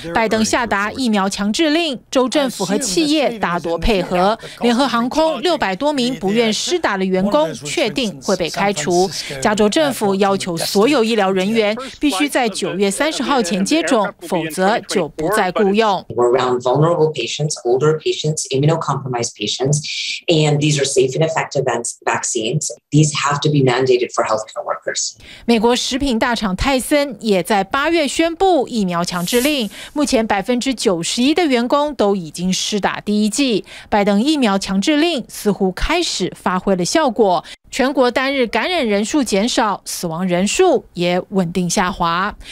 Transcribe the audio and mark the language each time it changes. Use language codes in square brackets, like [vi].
[zh] 拜登下达疫苗强制令，州政府和企业大多配合。联合航空600多名不愿施打的员工确定会被开除。加州政府要求所有医疗人员必须在9月30号前接种，否则就不再雇用。 [en] We're around vulnerable patients, older patients, immunocompromised patients, and these are safe and effective vaccines. These have to be mandated for healthcare workers. [zh] 美国食品大厂泰森也在8月宣布疫苗强制令，目前91%的员工都已经施打第一剂。拜登疫苗强制令似乎开始发挥了效果。果，全国单日感染人数减少，死亡人数也稳定下滑。